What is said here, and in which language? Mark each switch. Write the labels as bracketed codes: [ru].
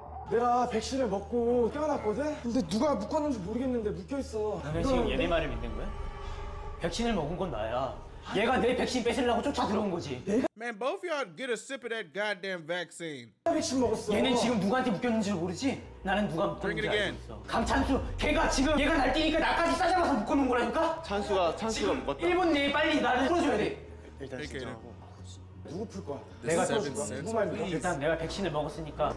[ko] 내가 백신을 먹고 깨어났거든? 근데 누가 묶었는지 모르겠는데 묶여있어. 너는 지금 얘네 말을 믿는 거야? 백신을 먹은 건 나야. 아니, 얘가 내 백신 뺏으려고 쫓아 들어온 거지. 내가? [en] Man, both y'all get a sip of that goddamn vaccine. [ko] 백신 먹었어. 얘는 지금 누구한테 묶였는지 모르지? 나는 누가 묶었는지 알고 있어. 강찬수, 걔가 지금 얘가 날 뛰니까 나까지 싸잡아서 묶어놓은 거라니까? 찬수가 묶었다. 1분 내에 빨리 나를 풀어줘야 돼. 일단 진정하고. 누구 풀 거야? 내가 풀어줄 거야. 일단 내가 백신을 먹었으니까.